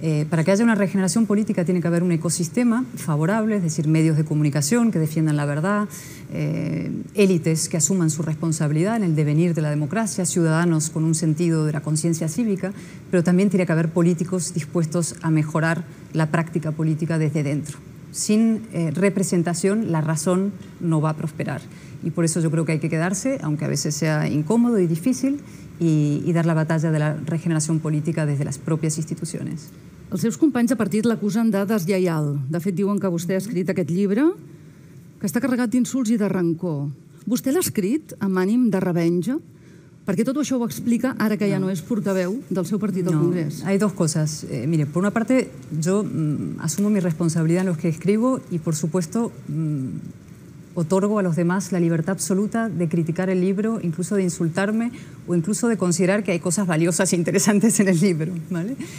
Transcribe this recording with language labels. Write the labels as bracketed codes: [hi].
[es] Para que haya una regeneración política tiene que haber un ecosistema favorable, es decir, medios de comunicación que defiendan la verdad, élites que asuman su responsabilidad en el devenir de la democracia, ciudadanos con un sentido de la conciencia cívica, pero también tiene que haber políticos dispuestos a mejorar la práctica política desde dentro. Sin representación, la razón no va a prosperar. Y por eso yo creo que hay que quedarse, aunque a veces sea incómodo y difícil, y dar la batalla de la regeneración política desde las propias instituciones. [ca] Els seus companys de partit l'acusen de deslleial. De fet, diuen que vostè ha escrit aquest llibre, que està carregat d'insults i de rancor. Vostè l'ha escrit amb ànim de revenja? [es] Porque todo eso lo explica ahora que ya no es [ca] portaveu del seu [es] partido no, Congrés. Hay dos cosas. Mire, por una parte, yo asumo mi responsabilidad en los que escribo y, por supuesto, otorgo a los demás la libertad absoluta de criticar el libro, incluso de insultarme o incluso de considerar que hay cosas valiosas e interesantes en el libro. ¿Vale?